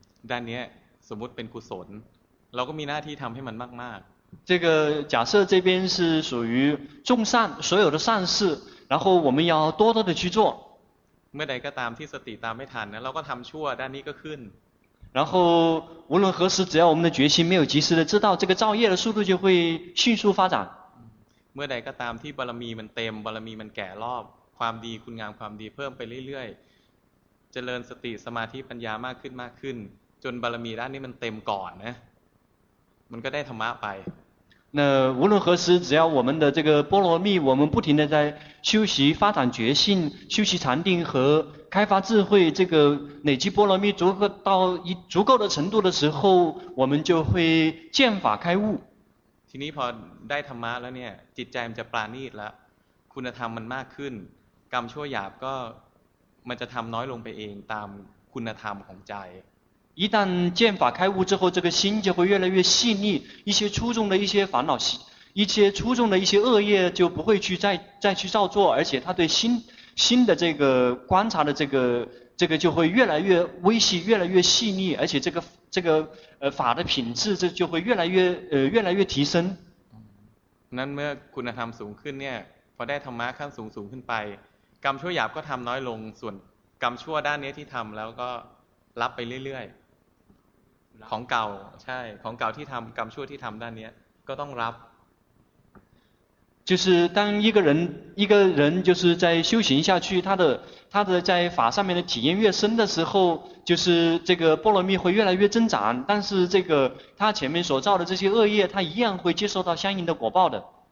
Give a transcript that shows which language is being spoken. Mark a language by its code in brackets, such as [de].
[th] ด้านนี้สมมติเป็นกุศลเราก็มีหน้าที่ทำให้มันมากมาก [zh] 这个假设这边是属于众善所有的善事然后我们要多多的去做 [th] เมื่อใดก็ตามที่สติตามไม่ทันนะเราก็ทำชั่วด้านนี้ก็ขึ้น [zh] 然后无论何时只要我们的决心没有及时的知道这个造业的速度就会迅速发展 [th] เมื่อใดก็ตามที่บารมีมันเต็มบารมีมันแก่รอบความดีคุณงามความดีเพิ่มไปเรื่อยๆเจริญสติสมาธิปัญญามากขึ้นมากขึ้นจนบารมีด้านนี้มันเต็มก่อนนะมันก็ได้ธรรมะไป [zh] 那无论何时只要我们的这个波罗蜜我们不停的在修习发展觉性修习禅定和开发智慧这个累积波罗蜜足够到一足够的程度的时候我们就会见法开悟 [th] ทีนี้พอได้ธรรมะแล้วเนี่ยจิตใจมันจะปราณีตแล้วคุณธรรมมันมากขึ้นกรรมชั่วหยาบก็มันจะทำน้อยลงไปเองตามคุณธรรมของใจ [zh] 一旦见法开悟之后，这个心就会越来越细腻，一些粗重的一些烦恼，一些粗重的一些恶业就不会去再去造作，而且他对心的这个观察的这个就会越来越微细，越来越细腻，而且这个法的品质这就会越来越提升。 [th] 那เมื่อคุณธรรมสูงขึ้นเนี่ย พอได้ธรรมะขั้นสูงขึ้นไป กรรมชั่วหยาบก็ทำน้อยลง ส่วนกรรมชั่วด้านนี้ที่ทำแล้วก็รับไปเรื่อยๆของเก่าใช่ของเก่าที่ทำกรรมชั่วที่ทำด้านนี้ก็ต้องรับ [zh] 就是当一个人就是在修行下去他的在法上面的体验越深的时候就是这个波罗蜜会越来越增长但是这个他前面所造的这些恶业他一样会接受到相应的果报的